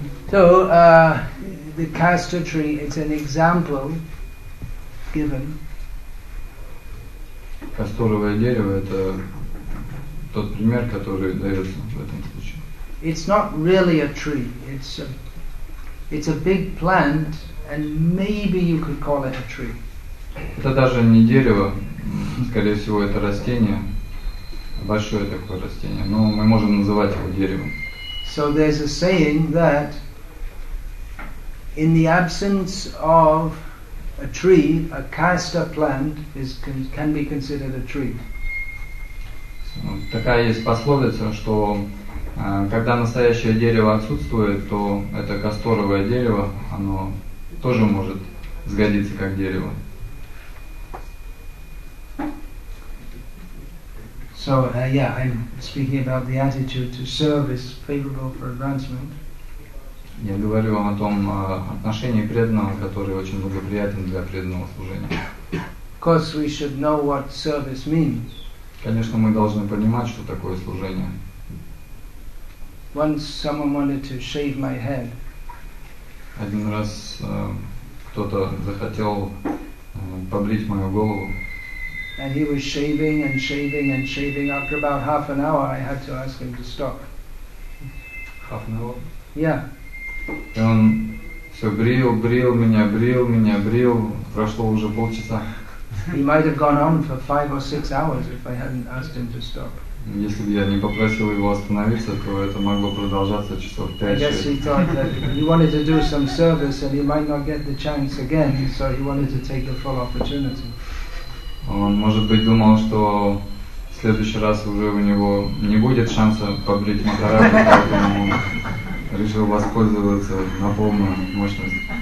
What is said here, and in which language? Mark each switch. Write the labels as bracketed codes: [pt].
[en] So the castor tree, it's an example given. [ru] Касторовое дерево – это тот пример, который дается в этом случае. [en] It's not really a tree. It's a big plant, and maybe you could call it a tree. [ru] Это даже не дерево. Скорее всего, это растение. Большое такое растение. Но мы можем называть его деревом. [en] So there's a saying that In the absence of a tree, a casta plant is can be considered a tree. [ru] Такая есть пословица, что когда настоящее дерево отсутствует, то это касторовое дерево, оно тоже может сгодиться как дерево. [en] So, I'm speaking about the attitude to service favorable for advancement. [ru] Я говорю вам о том отношении преданного, которое очень благоприятно для преданного служения. [en] Of course, we should know what service means. [ru] Конечно, мы должны понимать, что такое служение. [en] Once someone wanted to shave my head. [ru] Один раз кто-то захотел побрить мою голову. [en] And he was shaving and shaving and shaving. After about half an hour, I had to ask him to stop. Half an hour? Yeah. [ru] И он все брил, брил меня, брил меня, брил. Прошло уже полчаса. [en] He might have gone on for 5 or 6 hours if I hadn't asked him to stop. [ru] Если бы я не попросил его остановиться, то это могло продолжаться часов 5. [en] I guess he thought that he wanted to do some service and he might not get the chance again, so he wanted to take the full opportunity. [ru] Он, может быть, думал, что в следующий раз уже у него не будет шанса побрить Махараджу, поэтому решил воспользоваться на полную мощность.